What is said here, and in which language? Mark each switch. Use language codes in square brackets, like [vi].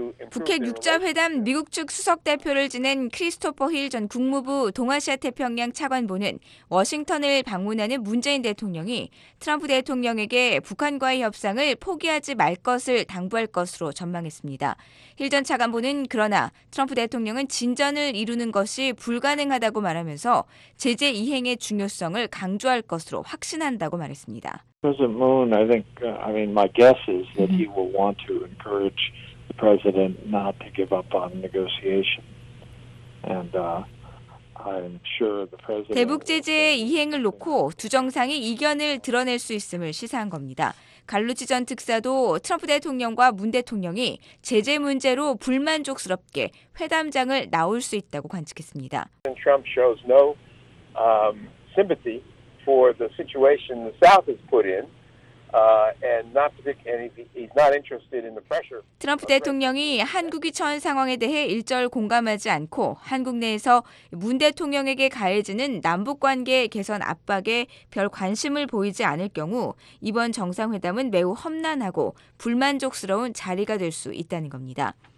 [ko] 북핵 6자회담 미국 측 수석대표를 지낸 크리스토퍼 힐 전 국무부 동아시아태평양 차관보는 워싱턴을 방문하는 문재인 대통령이 트럼프 대통령에게 북한과의 협상을 포기하지 말 것을 당부할 것으로 전망했습니다. 힐 전 차관보는 그러나 트럼프 대통령은 진전을 이루는 것이 불가능하다고 말하면서 제재 이행의 중요성을 강조할 것으로 확신한다고 말했습니다. [en] President Moon, I think, I mean, my guess is that he will want to encourage the president not to give up on negotiation. And I'm sure the president. [ko] 대북 제재의 이행을 놓고 두 정상이 이견을 드러낼 수 있음을 시사한 겁니다. 갈루치 전 특사도 트럼프 대통령과 문 대통령이 제재 문제로 불만족스럽게 회담장을 나올 수 있다고 관측했습니다. [en] Trump shows no sympathy. For the situation the South has put in, and he's not interested in the pressure. [ko] 트럼프 대통령이 한국이 처한 상황에 대해 일절 공감하지 않고 한국 내에서 문 대통령에게 가해지는 남북 관계 개선 압박에 별 관심을 보이지 않을 경우 이번 정상회담은 매우 험난하고 불만족스러운 자리가 될 수 있다는 겁니다.